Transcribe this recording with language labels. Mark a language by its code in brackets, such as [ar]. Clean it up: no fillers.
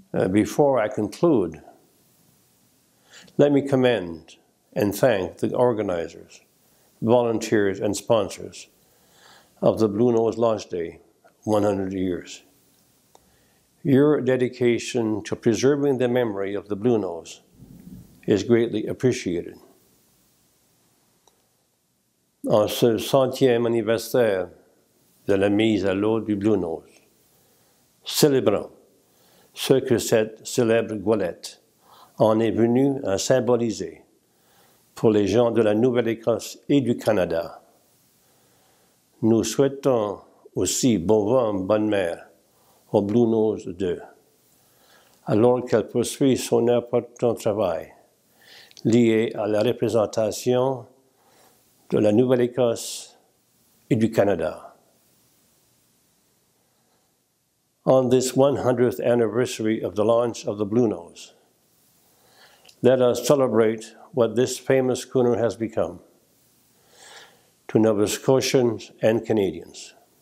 [en] Before I conclude, let me commend and thank the organizers, volunteers, and sponsors of the Bluenose Launch Day 100 years. Your dedication to preserving the memory of the Bluenose is greatly appreciated. [fr] En ce centième anniversaire de la mise à l'eau du Bluenose, célébrons ce que cette célèbre goélette en est venue à symboliser pour les gens de la Nouvelle-Écosse et du Canada. Nous souhaitons aussi bon vent, bonne mer au Bluenose 2, alors qu'elle poursuit son important travail lié à la représentation de la Nouvelle-Écosse et du Canada. [en] On this 100th anniversary of the launch of the Bluenose, let us celebrate what this famous schooner has become to Nova Scotians and Canadians.